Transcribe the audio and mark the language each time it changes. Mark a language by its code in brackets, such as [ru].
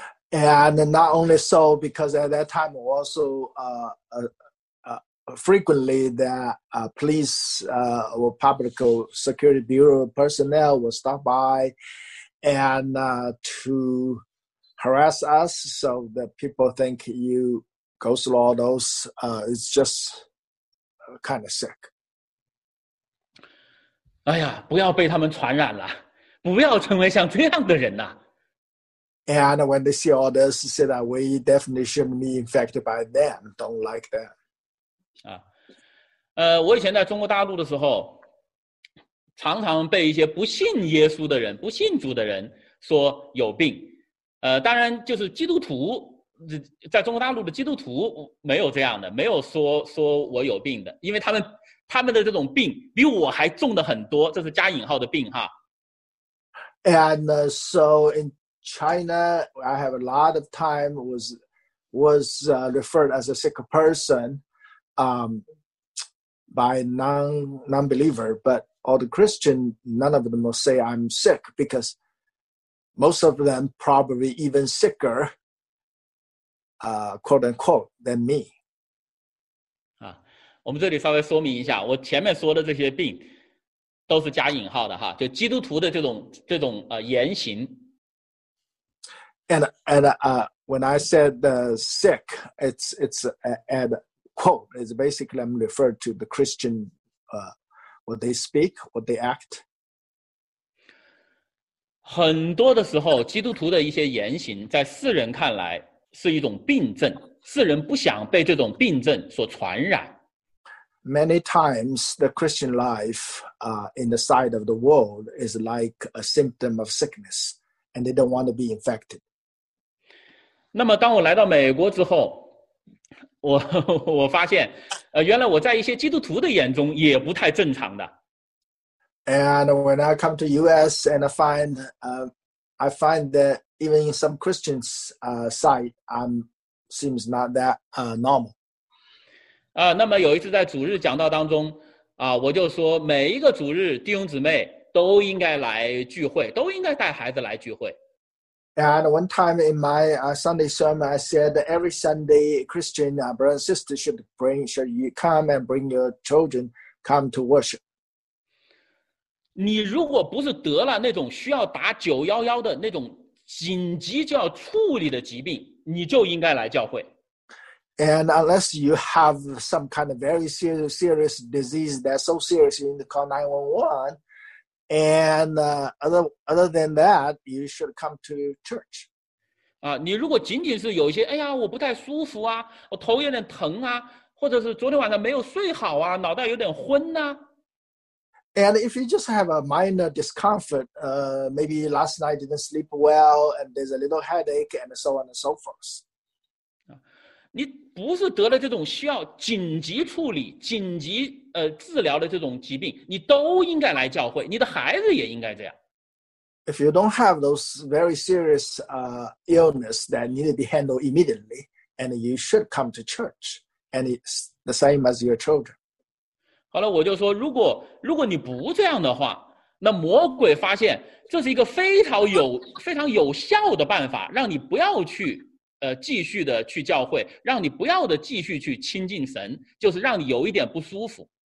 [en] And not only so, because at that time also frequently that police or public security bureau personnel will stop by and to harass us, so that people think you go through all those. It's just kind of sick. [zh] 哎呀，不要被他们传染了，不要成为像这样的人呐。 [en] And when they see all this, say that we definitely should be infected by them. Don't like that. [zh] 我以前在中国大陆的时候，常常被一些不信耶稣的人、不信主的人说有病。当然就是基督徒，在中国大陆的基督徒没有这样的，没有说我有病的，因为他们的这种病比我还重的很多，这是加引号的病哈。 [en] And so in China, I have a lot of time was referred as a sick person, by non-believer. But all the Christian, none of them will say I'm sick, because most of them probably even sicker, quote unquote, than me. [zh] 我们这里稍微说明一下，我前面说的这些病都是加引号的哈，就基督徒的这种言行。 [en] And when I said the sick, it's at quote, it's basically I'm referred to the Christian, what they speak, what they act. [zh] 很多的时候，基督徒的一些言行在世人看来是一种病症，世人不想被这种病症所传染。 [en] Many times the Christian life in the sight of the world is like a symptom of sickness, and they don't want to be infected. [zh] 那么当我来到美国之后，我发现，原来我在一些基督徒的眼中也不太正常的。 [en] And when I come to US and I find that even in some Christians' sight, seems not that normal. [zh] 那么有一次在主日讲道当中，我就说每一个主日弟兄姊妹都应该来聚会，都应该带孩子来聚会。 [en] And one time in my Sunday sermon, I said that every Sunday, Christian brother and sister should come and bring your children come to worship. [zh] 你如果不是得了那种需要打911的那种紧急就要处理的疾病，你就应该来教会。 [en] And unless you have some kind of very serious disease that's so serious you need to call 911, and other than that, you should come to church. [zh] 你如果仅仅是有一些，哎呀，我不太舒服啊，我头有点疼啊，或者是昨天晚上没有睡好啊，脑袋有点昏啊。 [en] And if you just have a minor discomfort, maybe last night didn't sleep well, and there's a little headache, and so on and so forth. [zh] 你不是得了这种需要紧急处理、紧急治疗的这种疾病，你都应该来教会，你的孩子也应该这样。 [en] If you don't have those very serious illness that need to be handled immediately, and you should come to church, and it's the same as your children. [zh] 好了，我就说，如果你不这样的话，那魔鬼发现这是一个非常有效的办法，让你不要去继续的去教会，让你不要的继续去亲近神，就是让你有一点不舒服。